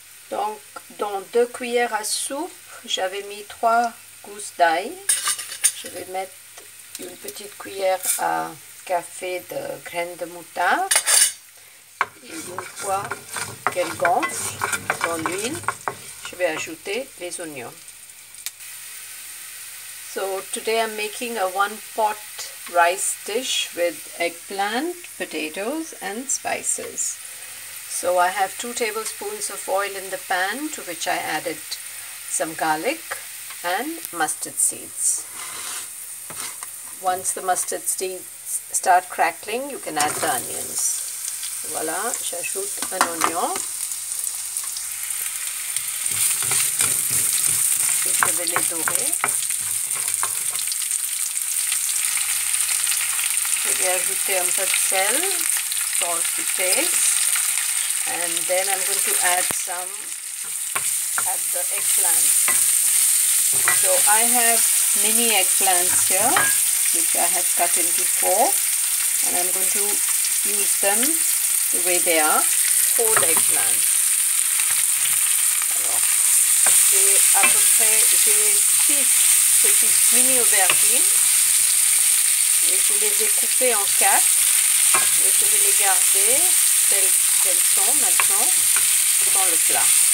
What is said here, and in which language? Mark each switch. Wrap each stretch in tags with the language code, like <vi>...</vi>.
<fr>Donc, dans 2 cuillères à soupe, j'avais mis 3 gousses d'ail. Je vais mettre une petite cuillère à café de graines de moutarde. Une fois qu'elle gonfle dans l'huile, je vais ajouter les oignons.</fr> <en>So today I'm making a one pot rice dish with eggplant, potatoes and spices. So I have 2 tablespoons of oil in the pan to which I added some garlic and mustard seeds. Once the mustard seeds start crackling, you can add the onions.</en> <fr>Voilà, j'ajoute un oignon. Et je vais les dorer. Je vais ajouter un peu de sel, salt to taste.</fr> <en>And then I'm going to add the eggplant. So I have mini eggplants here, which I have cut into 4. And I'm going to use them the way they are, whole eggplants.</en> <fr>Alors, j'ai à peu près, j'ai 6 petites mini aubergines. Et je les ai coupées en 4. Et je vais les garder telles qu'elles sont maintenant dans le plat.</fr>